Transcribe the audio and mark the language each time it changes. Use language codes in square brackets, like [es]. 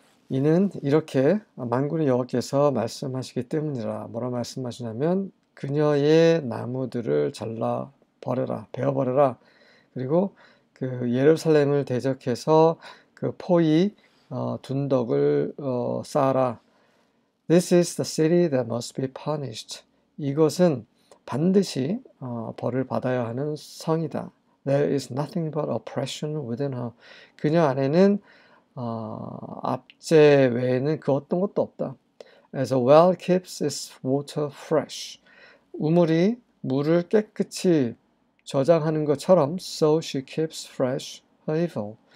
[ko] 이는 이렇게 만군의 여호와께서 말씀하시기 때문이라. 뭐라 말씀하시냐면 그녀의 나무들을 잘라 버려라, 베어 버려라. 그리고 그 예루살렘을 대적해서 그 포위 둔덕을 쌓아라. [en] This is the city that must be punished. [ko] 이것은 반드시 벌을 받아야 하는 성이다. [en] There is nothing but oppression within her. [ko] 그녀 안에는 압제 외에는 그 어떤 것도 없다. [en] As a well keeps its water fresh. [ko] 우물이 물을 깨끗이 저장하는 것처럼 [en] so she keeps fresh her evil.